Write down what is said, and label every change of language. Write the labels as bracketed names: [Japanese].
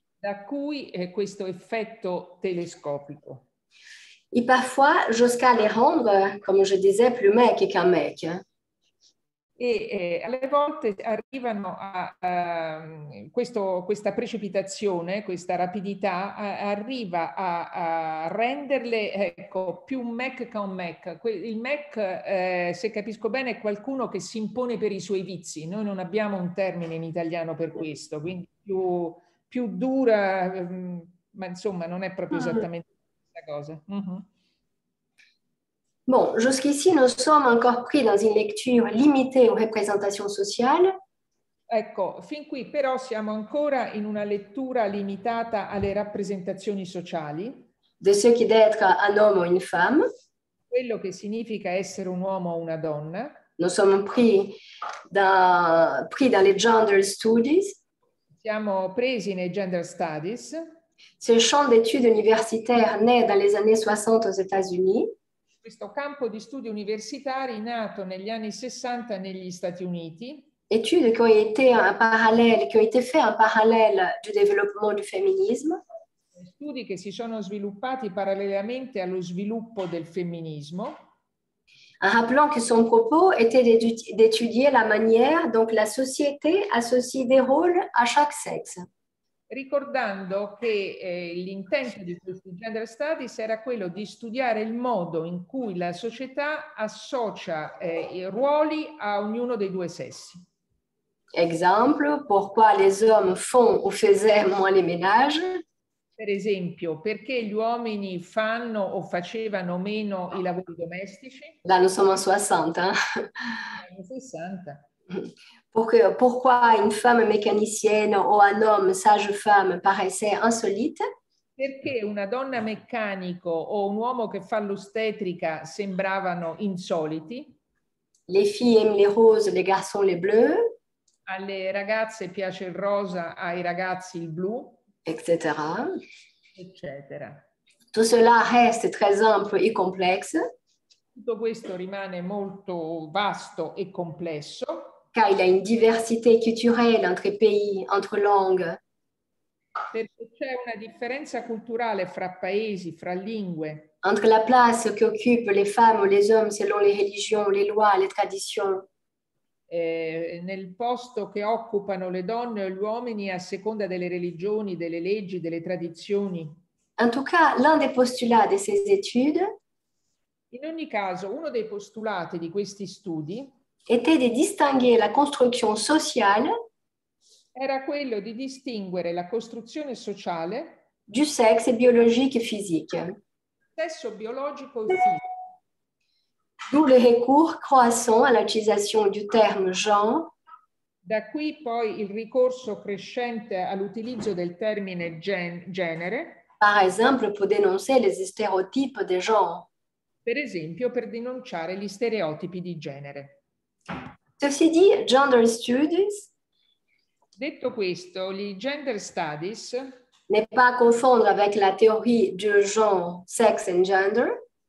[Italian] Da cui questo effetto telescopico. [French] E parfois, jusqu'à les rendre, come je disais, plus mec qu'un mec. [Italian] E alle volte arrivano a questa precipitazione, questa rapidità, arriva a renderle ecco, più mec che un mec. Il mec, se capisco bene, è qualcuno che si impone per i suoi vizi. Noi non abbiamo un termine in italiano per questo, quindi più dura, ma insomma non è proprio esattamente questa cosa. Mm-hmm. [French] Bon, jusqu'ici nous sommes encore pris dans une lecture limitée aux représentations sociales. [Italian] Ecco, fin qui però siamo ancora in una lettura limitata alle rappresentazioni sociali. [French] De ce qui doit être un homme ou une femme. [Italian] Quello che significa essere un uomo o una donna. [French] Nous sommes pris dans les gender studies. [Italian] Siamo presi nei gender studies. [French] Ce champ d'études universitaires naît dans les années 60 aux États-Unis. [Italian] Questo campo di studi universitari nato negli anni 60 negli Stati Uniti. [French] Études qui ont été faits en parallèle du développement du féminisme. [Italian] Studi che si sono sviluppati parallelamente allo sviluppo del femminismo. [French] En rappelant que son propos était d'étudier la manière dont la société associe des rôles à chaque sexe. [Italian] Ricordando che l'intento di questi gender studies era quello di studiare il modo in cui la società associa i ruoli a ognuno dei due sessi. [French] Esempio, pourquoi les hommes font ou faisaient moins les ménages? [Italian] Per esempio, perché gli uomini fanno o facevano meno i lavori domestici? [French] Là, nous sommes en 60. [Italian] Hein? In 60. [French] Pourquoi une femme mécanicienne ou un homme sage-femme paraissait insolite? [Italian] Perché una donna meccanico o un uomo che fa l'ostetrica sembravano insoliti? [French] Les filles aiment les roses, les garçons les bleus. [Italian] Alle ragazze piace il rosa, ai ragazzi il blu. Eccetera. Eccetera. [French] Tout cela reste très ample et complexe. [Italian] Tutto questo rimane molto vasto e complesso. [French] Car il y a une diversité culturelle entre pays, entre langues. [Italian] Perché c'è una differenza culturale fra paesi, fra lingue. [French] Entre la place che occupent les femmes ou les hommes selon les religions, les lois, les traditions. [Italian] Nel posto che occupano le donne o gli uomini a seconda delle religioni, delle leggi, delle tradizioni. [French] En tout cas, l'un des postulats de ces études. [Italian] In ogni caso, uno dei postulati di questi studi. [French] Était de distinguer la construction sociale. [Italian] Era quello di distinguere la costruzione sociale. [French] Du sexe biologique et physique. [Italian] Sesso biologico e fisico. [French] D'où le recours croissant à l'utilisation du terme genre. [Italian] Da qui poi il ricorso crescente all'utilizzo del termine genere. [French] Par exemple, pour dénoncer les stéréotypes de genre. [Italian] Per esempio, per denunciare gli stereotipi di genere. [French] Ceci dit, gender studies. [Italian] Detto questo, gli gender studies. [French] N'est pas à confondre avec la théorie du genre, [English] sex and gender.